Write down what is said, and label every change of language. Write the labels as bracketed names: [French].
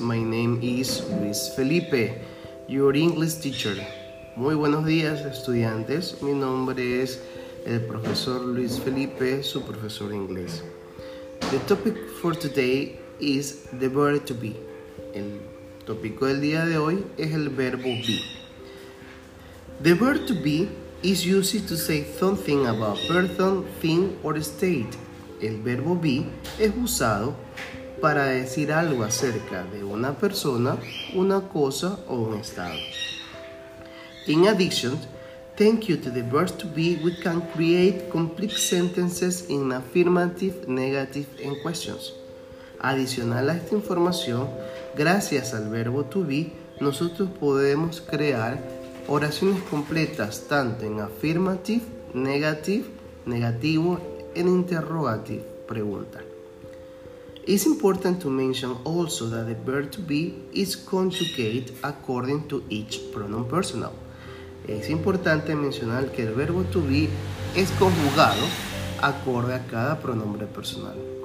[English] My name is Luis Felipe, your English teacher. [Spanish] Muy buenos días, estudiantes. Mi nombre es el profesor Luis Felipe, su profesor de inglés. [English] The topic for today is the verb to be. [Spanish] El tópico del día de hoy es el verbo be. [English] The verb to be is used to say something about person, thing or state. [Spanish] El verbo be es usado para decir algo acerca de una persona, una cosa o un estado. [English] In addition, thank you to the verb to be, we can create complete sentences in affirmative, negative and questions. [Spanish] Adicional a esta información, gracias al verbo to be, nosotros podemos crear oraciones completas tanto en affirmative, negative, negativo en interrogative, pregunta. [English] It's important to mention also that the verb to be is conjugated according to each pronoun personal. [Spanish] Es importante mencionar que el verbo to be es conjugado acorde a cada pronombre personal.